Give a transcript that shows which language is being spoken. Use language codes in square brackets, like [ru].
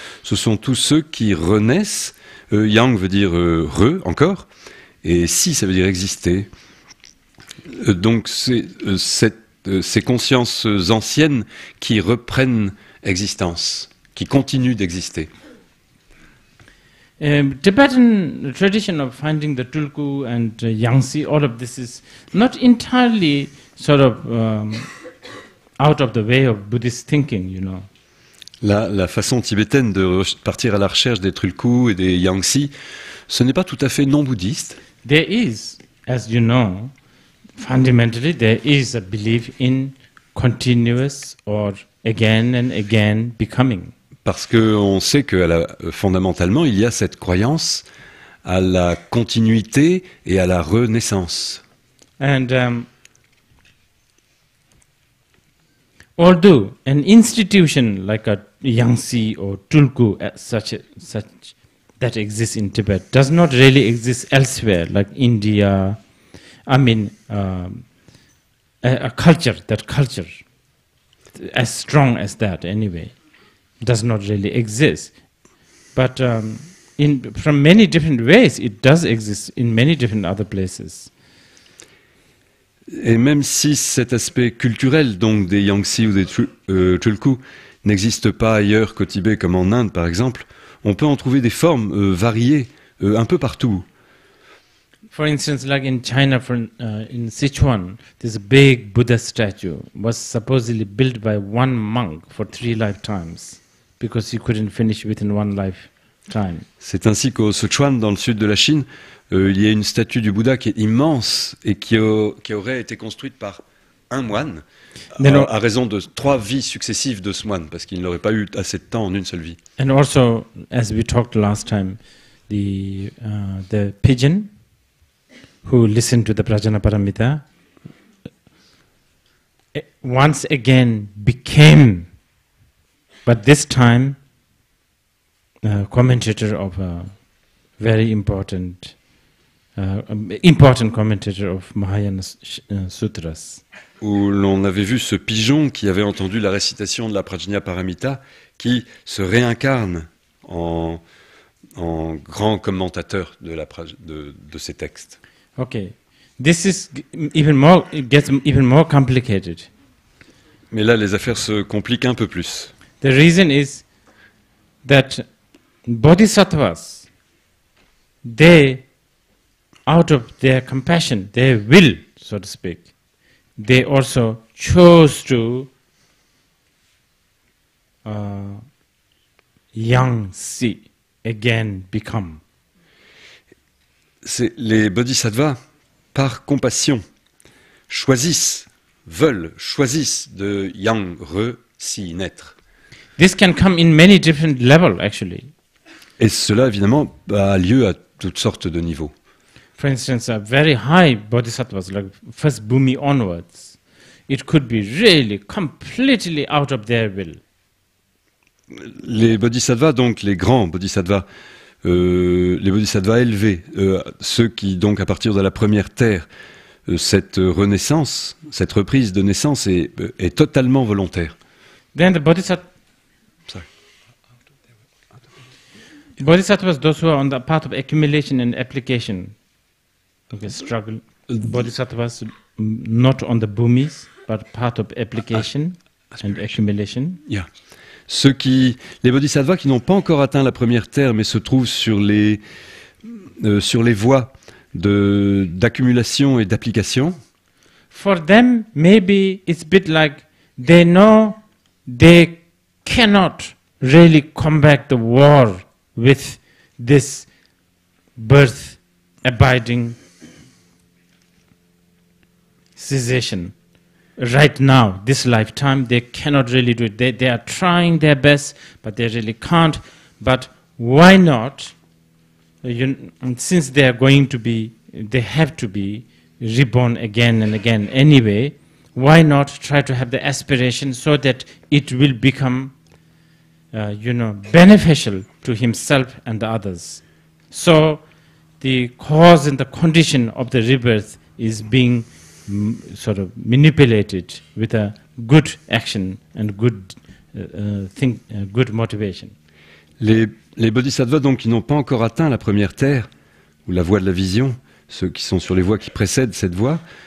[fr] Ce sont tous ceux qui renaissent. Yang veut dire re, encore. Et si, ça veut dire exister. Donc, c'est ces consciences anciennes qui reprennent existence, qui continuent d'exister. [en] Tibetan tradition of finding the tulku and yangtze, all of this is not entirely sort of out of the way of Buddhist thinking, you know. [fr] La façon tibétaine de partir à la recherche des tulku et des yangtze, ce n'est pas tout à fait non bouddhiste. [en] There is, as you know, fundamentally there is a belief in continuous or again and again becoming. [fr] Parce qu'on sait que fondamentalement, il y a cette croyance à la continuité et à la renaissance. [en] And although an institution like a yangtze or tulku such that exists in Tibet does not really exist elsewhere, like India, a culture as strong as that anyway. Does not really exist, but from many different ways, it does exist in many different other places. [fr] Et même si cet aspect culturel, donc des yangtze ou des tulku, n'existe pas ailleurs qu'au Tibet, comme en Inde, par exemple, on peut en trouver des formes variées un peu partout. [en] For instance, like in China, in Sichuan, this big Buddha statue was supposedly built by one monk for 3 lifetimes. Because he couldn't finish within one lifetime. [fr] C'est ainsi qu'au Sichuan, dans le sud de la Chine, il y a une statue du Bouddha qui est immense et qui aurait été construite par un moine à raison de 3 vies successives de ce moine, parce qu'il n'aurait pas eu assez de temps en une seule vie. [en] And also, as we talked last time, the pigeon who listened to the Prajnaparamita once again became. But this time, a commentator of a very important commentator of Mahayana sutras. [fr] Où l'on avait vu ce pigeon qui avait entendu la récitation de la Prajnaparamita, qui se réincarne en grand commentateur de ces textes. [en] Okay, this is even more gets even more complicated. [fr] Mais là, les affaires se compliquent un peu plus. [en] The reason is that bodhisattvas, they, out of their compassion, their will, so to speak, they also chose to yangtze again become. [fr] C'est les bodhisattvas, par compassion, choisissent de yang re si naître. [en] This can come in many different levels, actually. [fr] Et cela, évidemment, a lieu à toutes sortes de niveaux. [en] For instance, a very high bodhisattvas, like first Bhumi onwards, it could be really completely out of their will. [fr] Les bodhisattvas, donc les grands bodhisattvas, les bodhisattvas élevés, ceux qui, donc, à partir de la première terre, cette renaissance, cette reprise de naissance est totalement volontaire. [en] Then the bodhisattva. Bodhisattvas, those who are on the path of accumulation and application, okay, struggle. Bodhisattvas, not on the bhumis, but path of application and accumulation. Yeah. [fr] Les bodhisattvas qui n'ont pas encore atteint la première terre, mais se trouvent sur les voies d'accumulation et d'application. [en] For them, maybe it's a bit like they know they cannot really combat the war. With this birth abiding cessation right now, this lifetime, they cannot really do it. They are trying their best, but they really can't. But why not? Since they are going to be, they have to be reborn again and again anyway, why not try to have the aspiration so that it will become beneficial to himself and the others. So the cause and the condition of the rebirth is being sort of manipulated with a good action and good think, good motivation. [fr] Les bodhisattvas donc qui n'ont pas encore atteint la première terre ou la voie de la vision, ceux qui sont sur les voies qui précèdent cette voie,